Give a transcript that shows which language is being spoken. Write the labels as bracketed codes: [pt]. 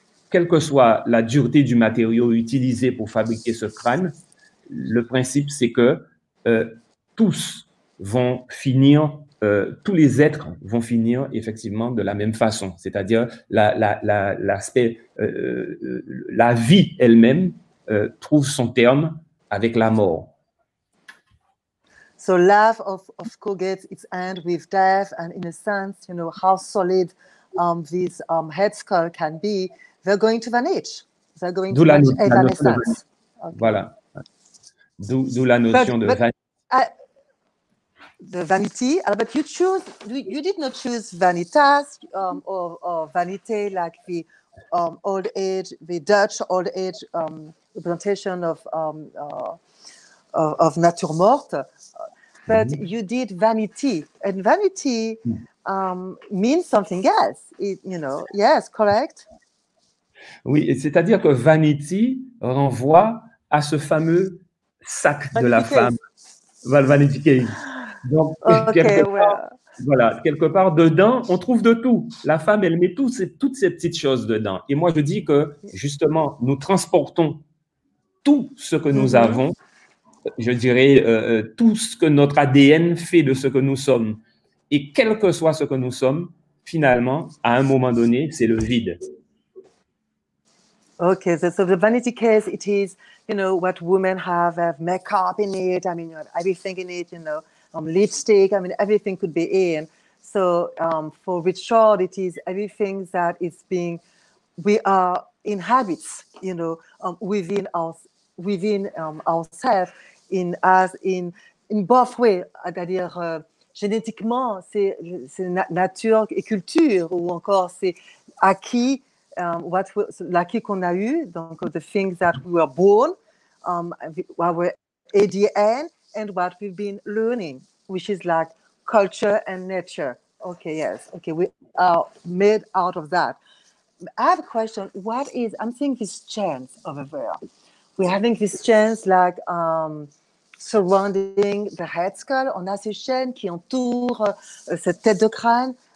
[fr] quelle que soit la dureté du matériau utilisé pour fabriquer ce crâne, le principe c'est que tous vont finir, tous les êtres vont finir effectivement de la même façon, c'est-à-dire l'aspect, la vie elle-même trouve son terme avec la mort. [en] So life of course gets its end with death, and in a sense, you know, how solid this head skull can be, they're going to vanish. They're going [fr] d'où [en] to [fr] la, [en] vanish. [fr] La notion de vanish. Okay. Voilà. D'où la notion de vanish. [en] The vanity, but you did not choose vanitas or vanité, like the old age, the Dutch old age representation of nature morte, but you did vanity, and vanity means something else, correct? [fr] Oui, c'est-à-dire que vanity renvoie à ce fameux sac de la femme, vanity case. Donc, quelque part dedans, on trouve de tout. La femme, elle met toutes ces petites choses dedans. Et moi, je dis que, justement, nous transportons tout ce que nous avons, je dirais, tout ce que notre ADN fait de ce que nous sommes. Et quel que soit ce que nous sommes, finalement, à un moment donné, c'est le vide. [en] Okay, so the vanity case, it is, you know, what women have makeup in it, I mean, everything in it, you know. Lipstick, I mean, everything could be in. So for Richard, it is everything that is being, we are inhabits, you know, within ourselves, in both ways, [fr] c'est-à-dire génétiquement, c'est nature et culture, ou encore c'est acquis, l'acquis qu'on a eu, donc [en] the things that we were born, our ADN, and what we've been learning, which is like culture and nature. Okay, yes. Okay, we are made out of that. I have a question. What is, I'm seeing this chance over there. We're having this chance like surrounding the head skull. [fr] On a ces chaînes qui entourent cette tête de crâne.